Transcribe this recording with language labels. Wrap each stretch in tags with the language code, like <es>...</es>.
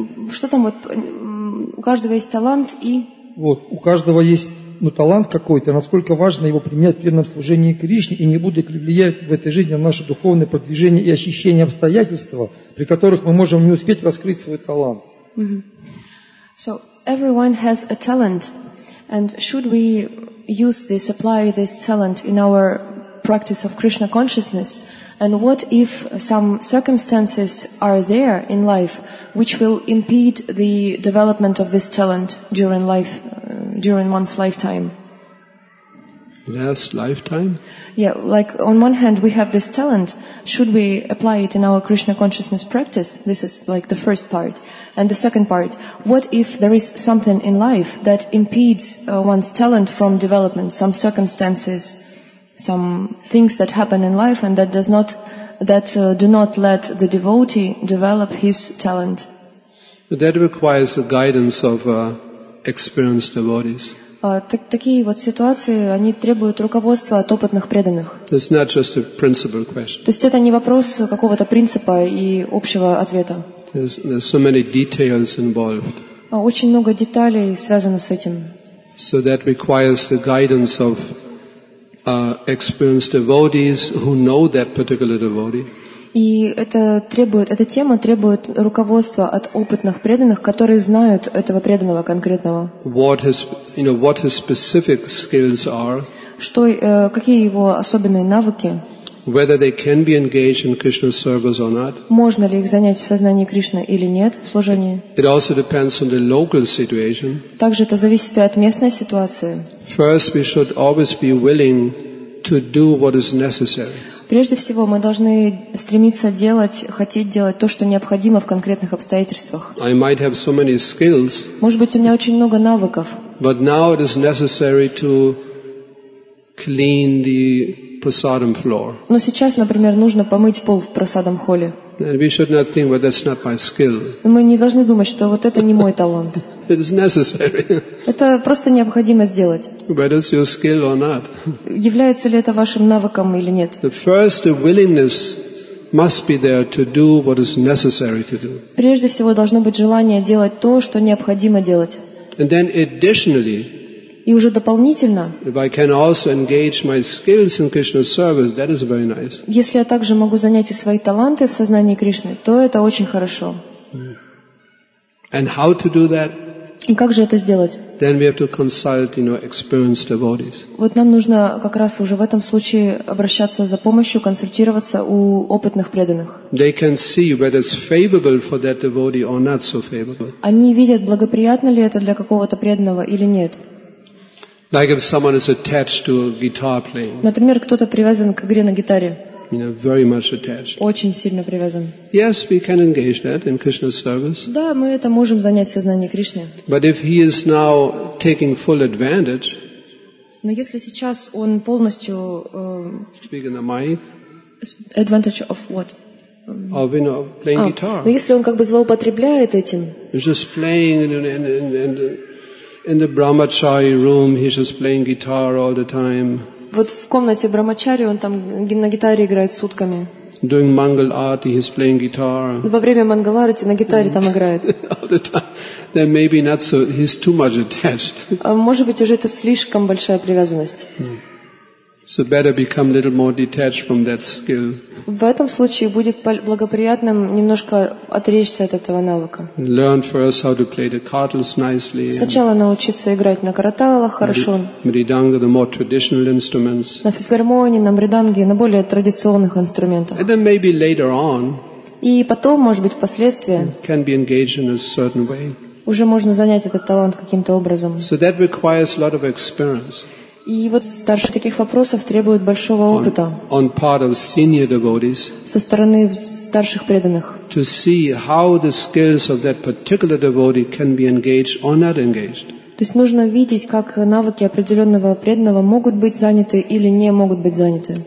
<ru>Что там вот? У каждого есть талант и... Вот, у каждого есть талант какой-то, насколько важно его применять в преданном служении Кришне, и не будет ли влиять в этой жизни на наше духовное продвижение и ощущение обстоятельства, при которых мы можем не успеть раскрыть свой талант.</ru> <en>So, everyone has a talent, and should we use this, apply this talent in our practice of Krishna consciousness? And what if some circumstances are there in life which will impede the development of this talent during life, during one's lifetime? Last lifetime? Yeah, like on one hand we have this talent. Should we apply it in our Krishna consciousness practice? This is like the first part. And the second part, what if there is something in life that impedes one's talent from development, some circumstances, some things that happen in life and that does not, that do not let the devotee develop his talent? But that requires the guidance of experienced devotees.</en> <ru>Такие вот ситуации, они требуют руководства от опытных преданных.</ru> <en>It's not just a principle question.</en> <ru>То есть это не вопрос какого-то принципа и общего ответа.</ru> <en>There's so many details involved.</en> <ru>Очень много деталей связано с этим.</ru> <en>So that requires the guidance of experienced devotees who know that particular devotee.</en> <ru>И это требует, эта тема требует руководства от опытных преданных, которые знают этого преданного конкретного.</ru> <en>What his, you know, what his specific skills are.</en> <ru>Что, какие его особенные навыки?</ru> <en>Whether they can be engaged in Krishna's service or not.</en> <ru>Можно ли их занять в сознании Кришны или нет, в служении?</ru> <en>It also depends on the local situation.</en> <ru>Также это зависит и от местной ситуации.</ru> <en>First, we should always be willing to do what is necessary.</en> <ru>Прежде всего, мы должны стремиться делать, хотеть делать то, что необходимо в конкретных обстоятельствах.</ru> <en>I might have so many skills.</en> <ru>Может быть, у меня очень много навыков.</ru> <en>But now it is necessary to clean the prasadam floor.</en> <ru>Но сейчас, например, нужно помыть пол в prasadam холле.</ru> <en>And we should not think, well, that's not my skill.</en> <ru>Мы не должны думать, что вот это не мой талант.</ru> <en>It is necessary.</en> <ru>Это просто необходимо сделать.</ru> <en>Whether it's your skill or not.</en> <ru>Является ли это вашим навыком или нет?</ru> <en>The first, the willingness must be there to do what is necessary to do.</en> <ru>Прежде всего должно быть желание делать то, что необходимо делать.</ru> <en>And then additionally.</en> <ru>И уже дополнительно.</ru> <en>If I can also engage my skills in Krishna's service, that is very nice.</en> <ru>Если я также могу занять и свои таланты в сознании Кришны, то это очень хорошо.</ru> <en>And how to do that?</en> <ru>И как же это сделать?</ru> <en>Then we have to consult, you know, experienced devotees.</en> <ru>Вот нам нужно как раз уже в этом случае обращаться за помощью, консультироваться у опытных преданных.</ru> <en>They can see whether it's favorable for that devotee or not so favorable.</en> <ru>Они видят, благоприятно ли это для какого-то преданного или нет.</ru> <en>Like if someone is attached to a guitar playing.</en> <ru>Например, кто-то привязан к игре на гитаре.</ru> <en>You know, very much attached.</en> <ru>Очень сильно привязан.</ru> <en>Yes, we can engage that in Krishna's service.</en> <ru>Да, мы это можем занять в сознании Кришны.</ru> <en>But if he is now taking full advantage.</en> <ru>Но если сейчас он полностью.</ru> <en>Speak in the mic. Advantage of what? Of, you know, playing guitar.</en> <ru>Но если он как бы злоупотребляет этим.</ru> <en>Just playing and in the brahmachari room, he's just playing guitar all the time.</en> <ru>Вот в комнате брахмачари он там на гитаре играет сутками.</ru> <en>During mangal arti, he's playing guitar.</en> <ru>Во время мангал арти на гитаре там играет.</ru> <en>All the time. Then maybe not so. He's too much attached.</en> <ru>Может быть уже это слишком большая привязанность.</ru> <en>So better become a little more detached from that skill.</en> <ru>В этом случае будет благоприятным немножко отречься от этого навыка.</ru> <en>Learn first how to play the kartals nicely.</en> <ru>Сначала научиться играть на караталах хорошо.</ru> <en>Мриданга, the more traditional instruments.</en> <ru>На физгармонии, на мриданге, на более традиционных инструментах.</ru> <en>And then maybe later on.</en> <ru>И потом, может быть, впоследствии.</ru> <en>Can be engaged in a certain way.</en> <ru>Уже можно занять этот талант каким-то образом.</ru> <en>So that requires a lot of experience.</en> <ru>И вот старше таких вопросов требует большого опыта</ru> <en>on part of senior devotees,</en> <ru>со стороны старших преданных,</ru> <en>to see how the skills of that particular devotee can be engaged or not engaged.</en> <ru>То есть нужно видеть, как навыки определенного преданного могут быть заняты или не могут быть заняты.</ru>